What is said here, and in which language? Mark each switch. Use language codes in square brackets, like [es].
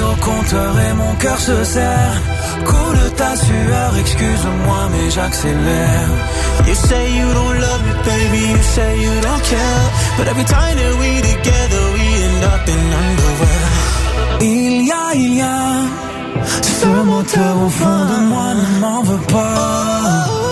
[fr] moteur et mon cœur se serre. Coule ta sueur, excuse-moi mais j'accélère. [en] You say you don't love me, baby, you say you don't care. But every time that we together, we end up in underwear. [fr] Il y a ce moteur au fond de moi ne m'en veut pas.